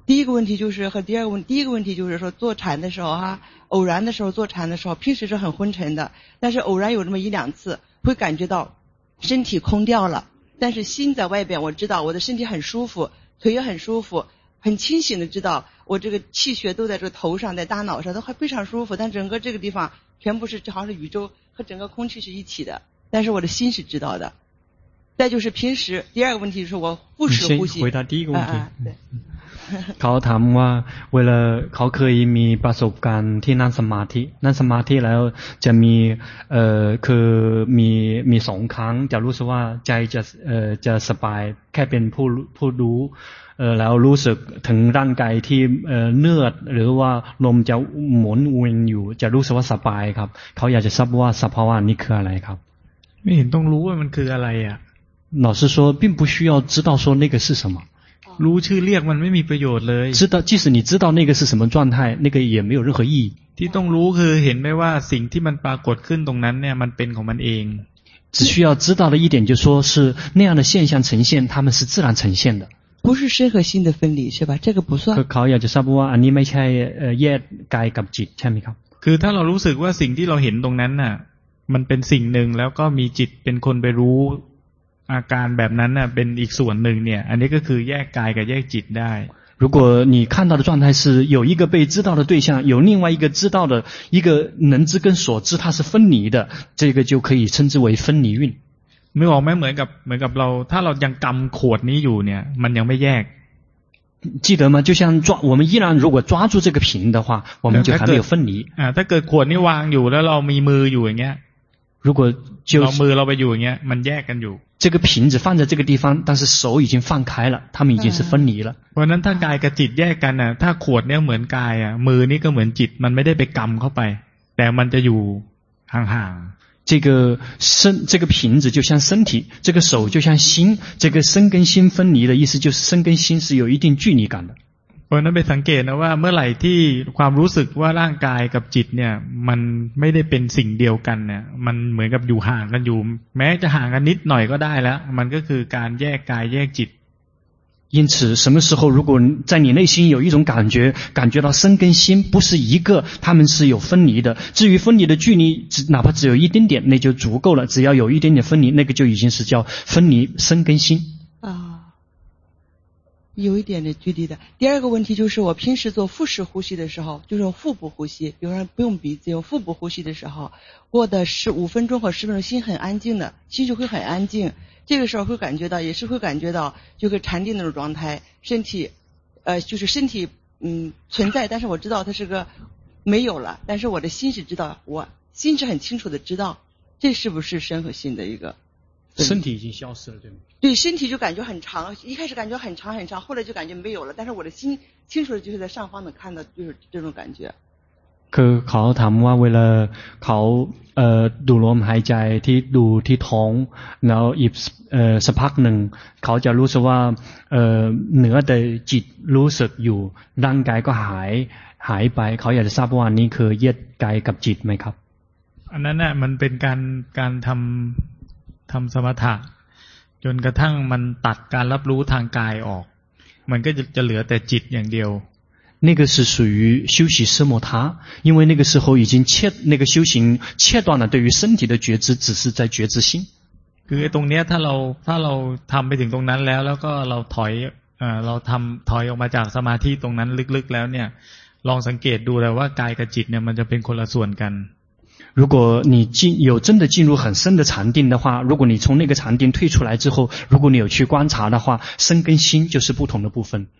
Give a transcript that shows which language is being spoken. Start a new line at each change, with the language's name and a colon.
Chinese: 第一个问题就是和第二个问题第一个问题就是说做禅的时候哈、偶然的时候做禅的时候平时是很昏沉的但是偶然有这么一两次会感觉到身体空掉了但是心在外边我知道我的身体很舒服腿也很舒服很清醒的知道我这个气血都在这头上，在大脑上，都还非常舒服，但整个这个地方全部是好像是宇宙和整个空气是一体的，但是我的心是知道的。再就是平时第二个问题就是我腹式呼吸。你先回答第一个问题。啊啊对。
Thai: เขาถามว่าเวลาเขาเคยมีประสบการณ์ที่นั่งสมาธินั่งสมาธิแล้วจะมีคือมีสองครั้งจะรู้สึกว่าใจจะสบายแค่เป็นผู้ดูแล้วรู้สึกถึงร่างกายที่เนื้อหรือว่าลมจะหมุนเวียนอยู่จะรู้สึกว่าสบายครับเขาอยากจะทราบว่าสภาวะนี้คืออะไรครับ ไม่เห็นต้องรู้ว่ามันคืออะไรอ่ะ
Chinese: 老师说并不需要知道说那个是什么
Thai: รู้ชื่อเรียกมันไม่มีประโยชน์เลย
Chinese: 知道即使你知道那个是什么状态那个也没有任何意义
Thai: ที่ต้องรู้คือเห็นไหมว่าสิ่งที่มันปรากฏขึ้นตรงนั้นเนี่ยมันเป็นของมันเอง
Chinese: 只需要知道的一点就是说是那样的现象呈现它们是自然呈现的不是身和心的分离是吧这个不算
Thai: เขาอยากจะทราบว่าอันนี้ไม่ใช่แยกกายกับจิตใช่ไหมครับ คือถ้าเรารู้สึกว่าสิ่งที่เราเห็นตรงนั้นน่ะมันเป็นสิ่งหนึ่งแล้วก็มีจิตเป็นคนไปรู้อาการแบบนั้นน่ะเป็นอีกส่วนหนึ่งเนี่ยอันนี้ก็คือแยกกายกับแยกจิตได้
Chinese: 如果你看到的状态是有一个被知道的对象有另外一个知道的一个能知跟所知它是分离的这个就可以称之为分离运
Thai: ไม่บอกไหมเหมือนกับเราถ้าเรายังกำขวดนี้อยู่เนี่ยมันยังไม่แยก
Chinese: 记得吗就像抓我们依然如果抓住这个瓶的话我们就还没有分离
Thai: ถ้าเกิดขวดนี้วางอยู่แล้วเรามีมืออยู่อย่างเงี้ย
Chinese: 如果就
Thai: เรามือเราไปอยู่อย่างเงี้ยมันแยกกันอยู่
Chinese: 这个瓶子放在这个地方但是手已经放开了它们已经是分离了
Thai: เพราะนั้นถ้ากายกับจิตแยกกันน่ะถ้าขวดเนี่ยเหมือนกายอ่ะมือนี่ก็เหมือนจิตมันไม่ได้ไปกำเข้าไปแต่มันจะอยู่ห่างๆ
Chinese: 这个瓶子就像身体，这个手就像心，这个身跟心分离的意思就是身跟心是有一定距离感的。我那边
Thai: สังเกตนะว่าเมื่อไหร่ที่ความรู้สึกว่าร่างกายกับจิตเนี่ยมันไม่ได้เป็นสิ่งเดียวกันเนี่ยมันเหมือนกับอยู่ห่างกันอยู่แม้จะห่างกันนิดหน่อยก็ได้แล้วมันก็คือการแยกกายแยกจิต
Chinese: 因此什么时候如果在你内心有一种感觉感觉到身跟心不是一个他们是有分离的至于分离的距离只哪怕只有一点点那就足够了只要有一点点分离那个就已经是叫分离身跟心啊，有一点的距离的第二个问题就是我平时做腹式呼吸的时候就是用腹部呼吸比如说不用鼻子用腹部呼吸的时候过的是五分钟或十分钟心很安静的心就会很安静这个时候会感觉到也是会感觉到就是禅定那种状态身体就是身体存在但是我知道它是个没有了但是我的心是知道我心是很清楚的知道这是不是身和心的一个身体已经消失了对吗对身体就感觉很长一开始感觉很长很长后来就感觉没有了但是我的心清楚的就是在上方能看到就是这种感觉
Thai: คือเขาถามว่าเวลาเขาดูลมหายใจที่ดูที่ท้องแล้วอีกสักพักหนึ่งเขาจะรู้สึกว่าเหนือแต่จิตรู้สึกอยู่ร่างกายก็หายไปเขาอยากจะทราบว่านี่คือเยดกายกับจิตไหมครับ อันนั้นน่ะมันเป็นการทำสมถะจนกระทั่งมันตัดการรับรู้ทางกายออกมันก็จะเหลือแต่จิตอย่างเดียว
Chinese: 那个是属于休息奢摩他因为那个时候已经切那个修行切断了对于身体的觉知只是在觉知心
Thai: คือตรงเนี้ยถ้าเราทําไปถึงตรงนั้นแล้วแล้วก็เราถอยเราทําถอยออกมาจากสมาธิตรงนั้นลึกๆแล้วเนี่ยลองสังเกตดูแล้วว่ากายกับจิตเนี่ยมันจะเป็นคนละส่วนกัน
Chinese: 如果你有真的进入很深的禅定的话如果你从那个禅定退出来之后如果你有去观察的话身跟心就是不同的部分